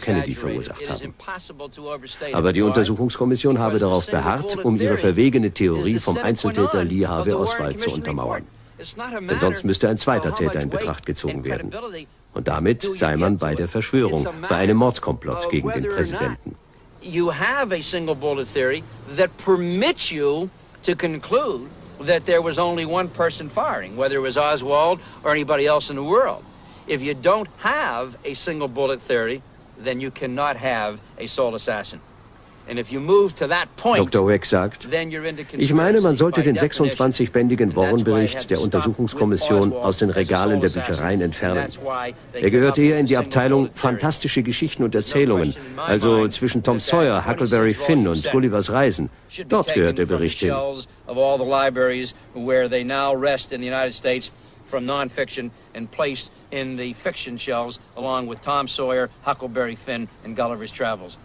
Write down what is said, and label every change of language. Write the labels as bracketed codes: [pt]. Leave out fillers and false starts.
[de] Kennedy verursacht haben. Aber die Untersuchungskommission habe darauf beharrt, um ihre verwegene Theorie vom Einzeltäter Lee Harvey Oswald zu untermauern. Denn sonst müsste ein 2. Täter in Betracht gezogen werden. Und damit sei man bei der Verschwörung, bei einem Mordkomplott gegen den Präsidenten. [en] You have a single bullet theory that permits you to conclude that there was only one person firing, whether it was Oswald or anybody else in the world. If you don't have a single bullet theory, then you cannot have a sole assassin. And if you move to that point, [de] Dr. Wick sagt, [en] then you're into conspiracy. [de] Ich meine, man sollte den 26-bändigen Warren-Bericht der Untersuchungskommission aus den Regalen der Büchereien entfernen. Er gehört eher in die Abteilung Fantastische Geschichten und Erzählungen, also zwischen Tom Sawyer, Huckleberry Finn und Gullivers Reisen. Dort gehört der Bericht hin. [en] Of all the libraries where they now rest in the United States from non-fiction and placed in the fiction shelves along with Tom Sawyer, Huckleberry Finn and Gulliver's Travels.